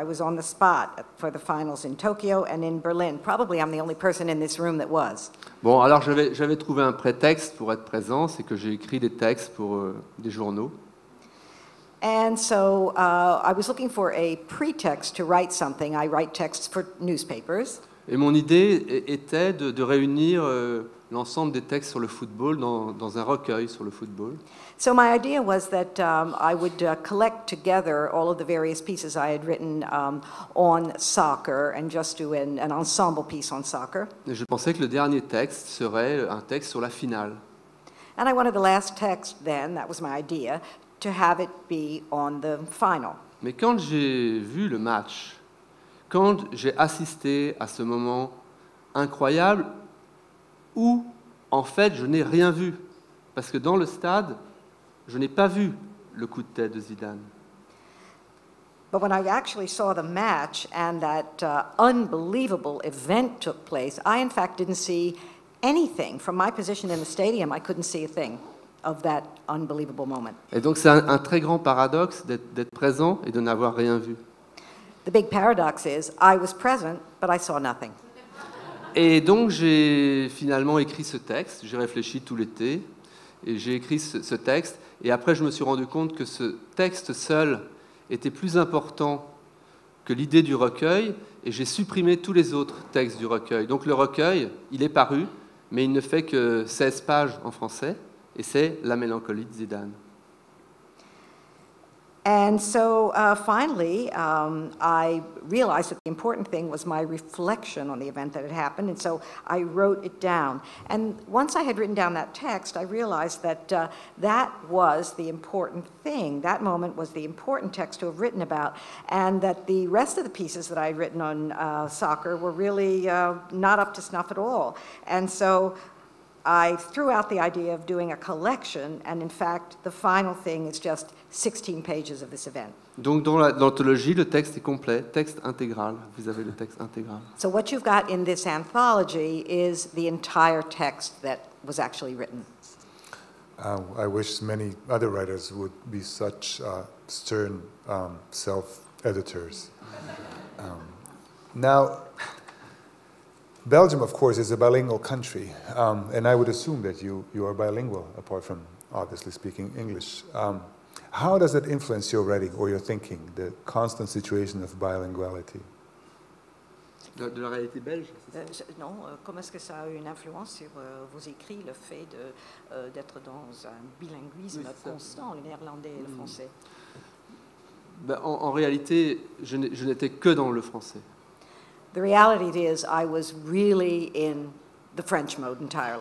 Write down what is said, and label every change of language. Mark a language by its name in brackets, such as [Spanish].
[English] I was on the spot for the finals in Tokyo and in Berlin. Probably I'm the only person in this room that was. [French] Bon, alors j'avais trouvé un prétexte pour être présent, c'est que j'ai écrit des textes pour des journaux. [English] And so I was looking for a pretext to write something. I write texts for newspapers. [French] Et mon idée était de réunir l'ensemble des textes sur le football dans un recueil sur le football. [English] So my idea was that I would collect together all of the various pieces I had written on soccer and just do an ensemble piece on soccer. [French] Et je pensais que le dernier texte serait un texte sur la finale. [English] And I wanted the last text then, that was my idea, to have it be on the final. [French] Mais quand j'ai vu le match, quand j'ai assisté à ce moment incroyable où, en fait, je n'ai rien vu. Parce que dans le stade, je n'ai pas vu le coup de tête de Zidane. [English] But when I actually saw the match and that unbelievable event took place, I in fact didn't see anything. From my position in the stadium, I couldn't see a thing of that unbelievable moment. [French] Et donc c'est un très grand paradoxe d'être présent et de n'avoir rien vu. [English] The big paradox is, I was present, but I saw nothing. [French] Et donc j'ai finalement écrit ce texte, j'ai réfléchi tout l'été, et j'ai écrit ce texte, et après je me suis rendu compte que ce texte seul était plus important que l'idée du recueil, et j'ai supprimé tous les autres textes du recueil. Donc le recueil, il est paru, mais il ne fait que 16 pages en français, et c'est La Mélancolie de Zidane. [English] And so finally, I realized that the important thing was my reflection on the event that had happened, and so I wrote it down. And once I had written down that text, I realized that that was the important thing. That moment was the important text to have written about, and that the rest of the pieces that I had written on soccer were really not up to snuff at all. And so I threw out the idea of doing a collection, and in fact, the final thing is just 16 pages of this event. [French] Donc dans l'anthologie, le texte est complet, texte intégral. Vous avez le texte intégral. [English] So what you've got in this anthology is the entire text that was actually written. I wish many other writers would be such stern self-editors. Now, Belgium, of course, is a bilingual country, and I would assume that you are bilingual, apart from obviously speaking English. How does it influence your writing or your thinking, the constant situation of bilinguality? [French] De la réalité belge, c'est ça? Non, comment est-ce que ça a eu une influence sur vos écrits, le fait de, d'être dans un bilinguisme constant, le néerlandais et le français? Ben, en réalité, je n'étais que dans le français. [English] The reality is, I was really in the French mode entirely.